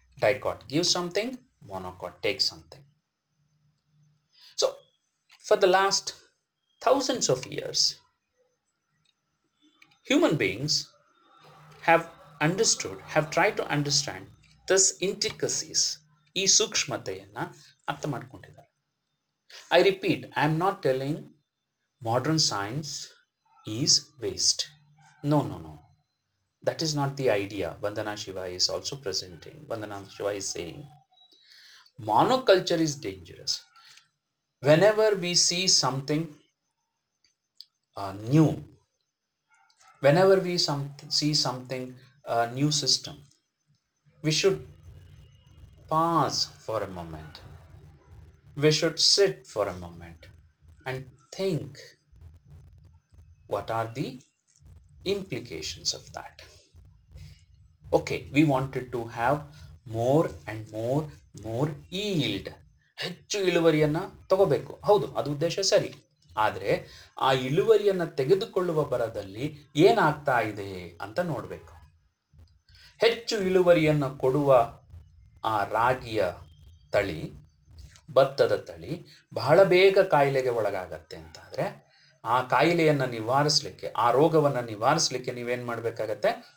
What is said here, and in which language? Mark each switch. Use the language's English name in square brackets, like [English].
[English] Dicot gives something, monocot takes something. So, for the last thousands of years, human beings have understood, have tried to understand this intricacies. [Kannada] ಈ ಸೂಕ್ಷ್ಮತೆಯನ್ನು ಅರ್ಥ ಮಾಡಿಕೊಂಡಿದ್ದಾರೆ. [English] I repeat, I am not telling modern science is waste. No no no, that is not the idea. Vandana Shiva is also presenting, Vandana Shiva is saying monoculture is dangerous. Whenever we see something new, whenever we see something new system, we should pause for a moment. We should sit for a moment and think, what are the implications of that? Okay, we wanted to have more and more yield. [Kannada] ಹೆಚ್ಚು ಇಳುವರಿಯನ್ನು ತಗೋಬೇಕು. ಹೌದು, ಅದು ಉದ್ದೇಶ ಸರಿ. ಆದರೆ ಆ ಇಳುವರಿಯನ್ನು ತೆಗೆದುಕೊಳ್ಳುವ ಬರದಲ್ಲಿ ಏನಾಗ್ತಾ ಇದೆ ಅಂತ ನೋಡಬೇಕು. ಹೆಚ್ಚು ಇಳುವರಿಯನ್ನು ಕೊಡುವ ಆ ರಾಗಿಯ ತಳಿ, ಭತ್ತದ ತಳಿ ಬಹಳ ಬೇಗ ಕಾಯಿಲೆಗೆ ಒಳಗಾಗತ್ತೆ ಅಂತಾದರೆ, ಆ ಕಾಯಿಲೆಯನ್ನು ನಿವಾರಿಸಲಿಕ್ಕೆ, ಆ ರೋಗವನ್ನು ನಿವಾರಿಸಲಿಕ್ಕೆ ನೀವೇನು ಮಾಡಬೇಕಾಗತ್ತೆ?